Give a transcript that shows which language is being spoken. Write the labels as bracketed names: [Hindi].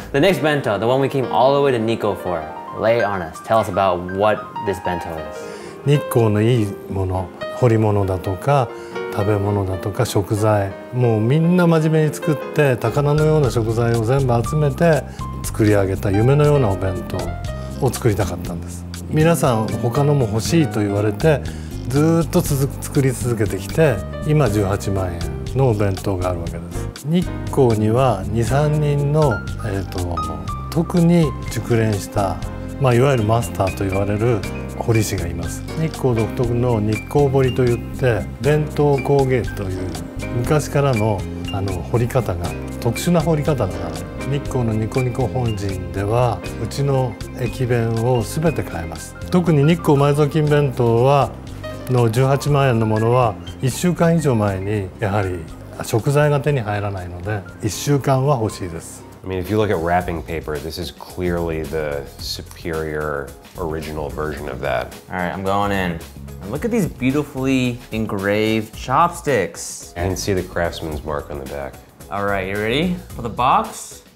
[English] The next bento, the one we came all the way to Nikko for, lay it on us. Tell us about what this bento is. [Japanese] 日光のいいもの、掘り物だとか、食べ物だとか、食材。もうみんな真面目に作って、宝のような食材を全部集めて作り上げた夢のようなお弁当を作りたかったんです。皆さん、他のも欲しいと言われて、ずっと作り続けてきて、今18万円のお弁当があるわけです。日光には 2,3 人の、特に熟練した、まあ、いわゆるマスターと言われる彫り師がいます。日光独特の日光彫りといって弁当工芸という昔から の, 彫り方が特殊な彫り方がある。日光のニコニコ本陣ではうちの駅弁を全て買えます。特に日光埋蔵金弁当はの18万円のものは1週間以上前にやはり食材が手に入らないので1週間は欲しいです。 [English] I mean, if you look at wrapping paper, this is clearly the superior original version of that. All right, I'm going in. And look at these beautifully engraved chopsticks. And see the craftsman's mark on the back. All right, you ready for the box?